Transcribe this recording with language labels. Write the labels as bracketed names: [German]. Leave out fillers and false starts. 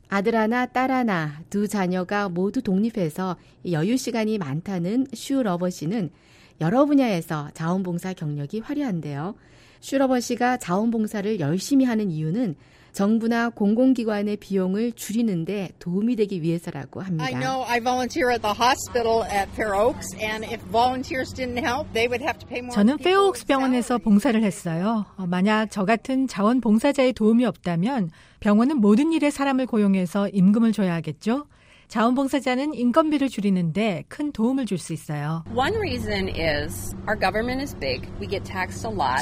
[Korean] 아들 하나, 딸 하나, 두 자녀가 모두 독립해서 여유 시간이 많다는 슈 러버 씨는 여러 분야에서 자원봉사 경력이 화려한데요. 슈 러버 씨가 자원봉사를 열심히 하는 이유는 정부나 공공기관의 비용을 줄이는 데 도움이 되기 위해서라고 합니다. [English] I know I volunteer at the hospital at Fair Oaks and if volunteers didn't help, they would have to pay more. [Korean] 저는 페어옥스 병원에서 봉사를 했어요. 만약 저 같은 자원봉사자의 도움이 없다면 병원은 모든 일에 사람을 고용해서 임금을 줘야 하겠죠? 자원봉사자는 인건비를 줄이는데 큰 도움을 줄 수 있어요. [English] One reason is our government is big. We get taxed a lot.